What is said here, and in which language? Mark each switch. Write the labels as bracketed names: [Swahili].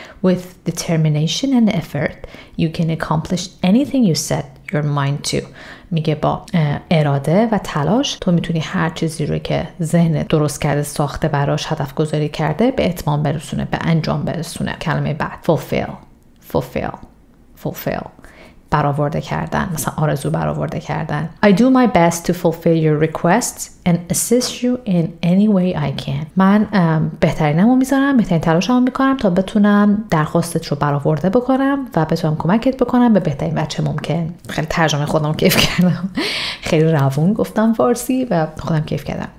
[English] With determination and effort you can accomplish anything you set your mind to. [Persian] میگه با اراده و تلاش تو میتونی هر چیزی رو که ذهنت درست کرده، ساخته، براش هدف گذاری کرده به اتمام برسونه، به انجام برسونه. کلمه بعد fulfill برآورده کردن، مثلا آرزو برآورده کردن. [English] I do my best to fulfill your requests and assist you in any way I can. [Persian] من بهترینمو میذارم، بهترین تلاشمو میکنم تا بتونم درخواستت رو برآورده بکنم و بتونم کمکت بکنم به بهترین وجه ممکن. خیلی ترجمه خودم کیف کردم. خیلی روون گفتم فارسی و خودم کیف کردم.